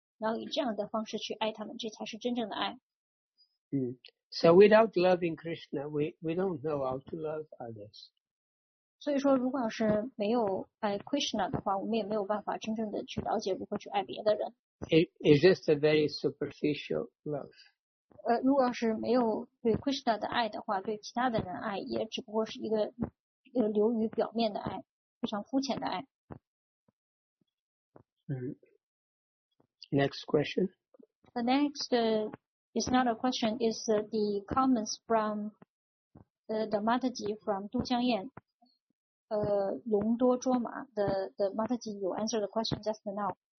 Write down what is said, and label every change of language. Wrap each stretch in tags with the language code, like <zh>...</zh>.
<zh>然后以这样的方式去爱他们，这才是真正的爱。</zh> <en>So without loving Krishna, we don't know how to love others.</en> <zh>所以说，如果要是没有爱 Krishna 的话，我们也没有办法真正的去了解如何去爱别的人。</zh> <en>It is just a very superficial love.</en> <zh>如果要是没有对 Krishna 的爱的话，对其他的人爱也只不过是一个流于表面的爱，非常肤浅的爱。</zh> <en>Next question. The next is not a question, is the comments from the Mataji from Du Jiang Yan. Long Duo Zhuo Ma, the Mataji, you answered the question just now.</en>